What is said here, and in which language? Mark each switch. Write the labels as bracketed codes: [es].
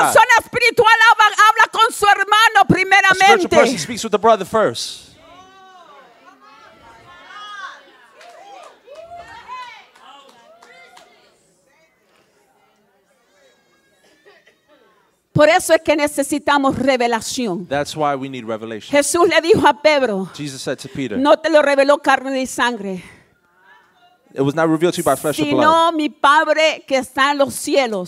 [es] Una persona espiritual habla con su hermano primeramente. [en] A spiritual person speaks with the brother first. [es] Por eso es que necesitamos revelación. [en] That's why we need revelation. [es] Jesús le dijo a Pedro. [en] Jesus said to Peter. [es] No te lo reveló carne ni sangre. [en] It was not revealed to you by flesh or blood. [es] Sino mi Padre que está en los cielos.